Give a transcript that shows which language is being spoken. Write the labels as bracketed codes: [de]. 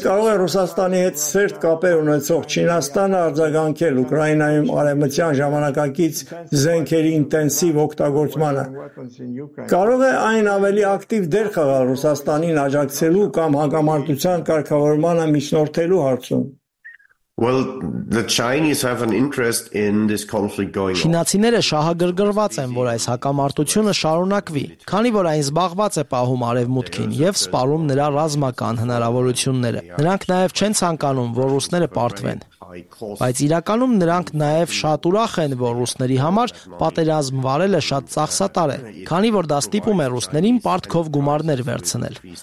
[hy] կարող է Ռուսաստանի հետ սերտ կապեր ունեցող Չինաստանը արձագանքել Ուկրաինայում արևմտյան ժամանակակից զենքերի ինտենսիվ օգտագործմանը, կարող է այն ավելի ակտիվ դեր խաղալ Ռուսաստանին աջակցելու կամ հակամարտության կարգավորմանը միջնորդելու հարցում։ [en] Well, the Chinese have an interest in this conflict going on. [hy] Չինացիները շահագրգռված են, որ այս հակամարտությունը շարունակվի, քանի որ այն զբաղված է պահում արևմուտքին և սպառում նրա ռազմական հնարավորությունները։ Նրանք նաև չեն ցանկանում, որ ռուսները պարտվեն, բայց իրականում նրանք նաև շատ ուրախ են, որ ռուսների համար պատերազմ վարելը շատ ծախսատար է, քանի որ դա ստիպում է ռուսներին պարտքով գումարներ վերցնել,